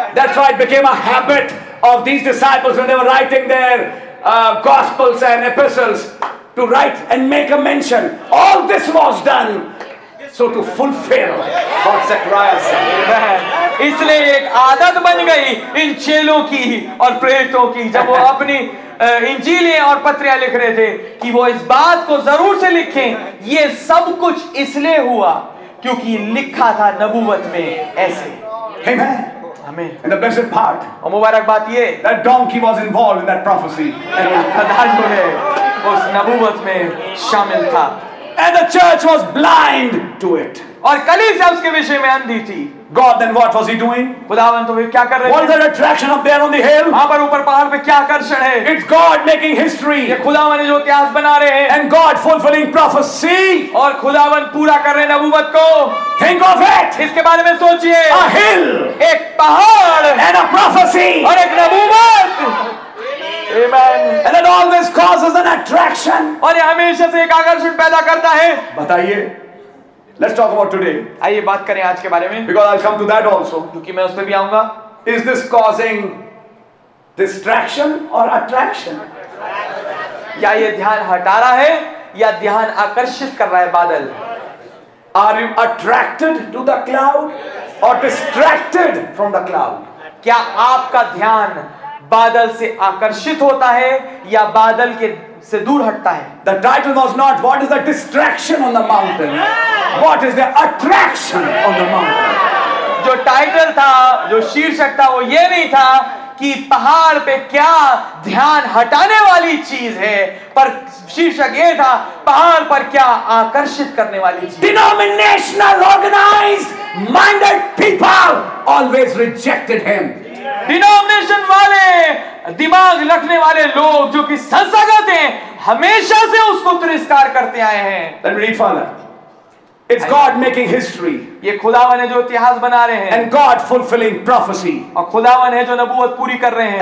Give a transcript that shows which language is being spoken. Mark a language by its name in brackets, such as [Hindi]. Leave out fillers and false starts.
[English] That's why it became a habit of these disciples when they were writing their gospels and epistles to write and make a mention. All this was done so to fulfill what Zechariah said. [Hindi] इसलिए एक आदत बन गई इन चेलों की और प्रेरितों की जब वो अपनी इंजीलें और पत्रियां लिख रहे थे कि वो इस बात को जरूर से लिखें। ये सब कुछ इसलिए हुआ क्योंकि लिखा था नबूवत में ऐसे। [English] Amen. And the blessed part, [Hindi] और मुबारक बात ये, [English] that donkey was involved in that prophecy. [Hindi] जो है उस नबूवत में शामिल था। [English] And the church was blind to it. [Hindi] और कलीसिया उसके विषय में अंधी थी। [English] God, then what was he doing? [Hindi] खुदावन तो वे क्या कर रहे [English] What is the attraction up there on the hill? [Hindi] वहाँ पर ऊपर पहाड़ पे क्या आकर्षण है? [English] It's God making history. [Hindi] ये खुदावन जो इतिहास बना रहे हैं। [English] And God fulfilling prophecy. [Hindi] और खुदावन पूरा कर रहे हैं नबूवत को। [English] Think of it. [Hindi] इसके बारे में सोचिए। [English] A hill. [Hindi] एक पहाड़। [English] And a prophecy. [Hindi] और एक नबूवत। Amen. [English] And then all this causes an attraction. [Hindi] और ये हमेशा से एक आकर्षण पैदा करता है। बताइए। [English] Let's talk about today. [Hindi] आइए बात करें आज के बारे में। [English] Because I'll come to that also. [Hindi] क्योंकि मैं उस पे भी आऊंगा। [English] Is this causing distraction or attraction? [Hindi] या ये ध्यान हटा रहा है या ध्यान आकर्षित कर रहा है बादल? [English] Are you attracted to the cloud or distracted from the cloud? [Hindi] क्या आपका ध्यान बादल से आकर्षित होता है या बादल के से दूर हटता है? [English] The title was not what is the distraction on the mountain, what is the attraction on the mountain. [Hindi] जो टाइटल था, जो शीर्षक था, वो ये नहीं था कि पहाड़ पे क्या ध्यान हटाने वाली चीज है, पर शीर्षक ये था पहाड़ पर क्या आकर्षित करने वाली चीज। [English] Denominational organized minded people always rejected him. [Hindi] Denomination वाले दिमाग रखने वाले लोग जो कि संस्थागत हैं हमेशा से उसको तिरस्कार करते आए हैं। [English] Let me read further. It's God making history. [Hindi] ये खुदावन है जो इतिहास बना रहे हैं. [English] And God fulfilling prophecy. [Hindi] और खुदावन है जो नबूवत पूरी कर रहे हैं.